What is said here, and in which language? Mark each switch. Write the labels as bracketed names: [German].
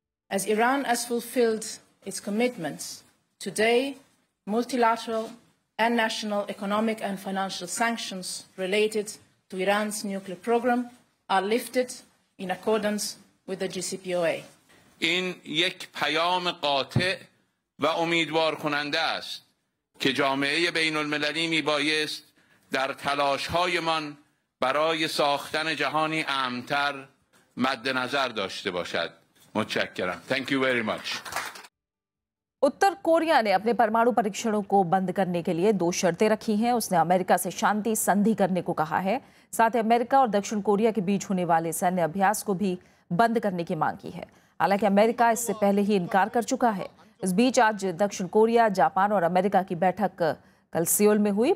[English] As Iran has fulfilled its commitments, today multilateral and national economic and financial sanctions related to Iran's nuclear program are lifted in accordance with the JCPOA. [Persian] این یک پیام قاطع و امیدوار کننده است که جامعه بین المللی می بایست در تلاش های من برای ساختن جهانی امن‌تر مد نظر داشته باشد. متشکرم. [English] Thank you very much. [Hindi] Uttar Korea ने अपने परमाणु परीक्षणों को बंद करने के लिए दो शर्तें रखी हैं। उसने अमेरिका से शांति संधि करने को कहा है, साथ ही अमेरिका और दक्षिण कोरिया के बीच होने वाले सैन्य अभ्यास को भी बंद करने की मांग की है। हालांकि अमेरिका इससे पहले ही इनकार कर चुका है। इस बीच आज दक्षिण कोरिया, जापान और अमेरिका की बैठक कल सियोल में हुई।